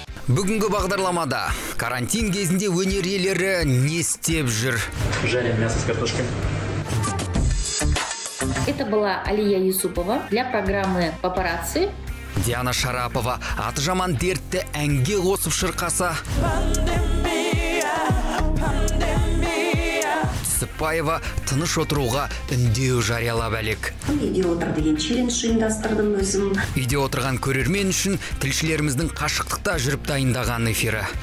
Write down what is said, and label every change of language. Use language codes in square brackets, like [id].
[kk] Бүгінгі бағдарламада карантин кезінде өнер иелері не істеп жүр? [ru] Жарим мясо с картошкой. Это была Алия Юсупова для программы «Папарацци». [kk] Диана Шарапова аты жаман дертті әнге қосып шырқаса. Сыпаева тыныш отыруға үндеу жариялап әлек. Үйде отыр деген челлендж ұйымдастырдым өзім. Үйде отырған көрермен үшін тілшілеріміздің қашықтықта жүріп дайындаған эфирі.